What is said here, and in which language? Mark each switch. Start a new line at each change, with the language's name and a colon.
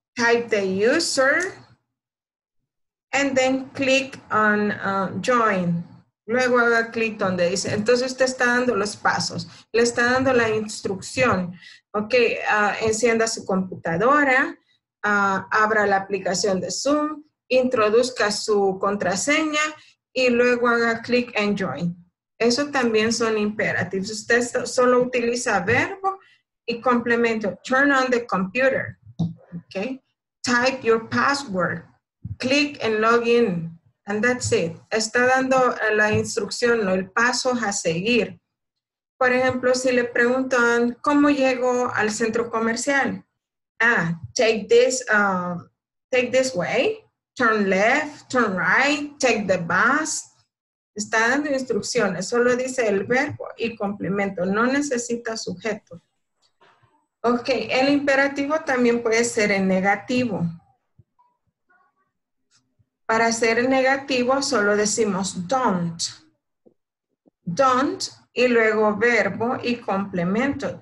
English: Type the user and then click on join.
Spanish: Luego haga clic donde dice. Entonces usted está dando los pasos, le está dando la instrucción. Ok, encienda su computadora, abra la aplicación de Zoom, introduzca su contraseña y luego haga clic en join. Eso también son imperatives. Usted solo utiliza verbo y complemento.
English: Turn on the computer. Okay, type your password, click and log in, and that's it.
Spanish: Está dando la instrucción, ¿no? El paso a seguir. Por ejemplo, si le preguntan, ¿cómo llego al centro comercial?
English: Ah, take this way, turn left, turn right, take the bus.
Spanish: Está dando instrucciones, solo dice el verbo y complemento, no necesita sujeto. Ok, el imperativo también puede ser en negativo. Para ser negativo solo decimos don't. Don't y luego verbo y complemento.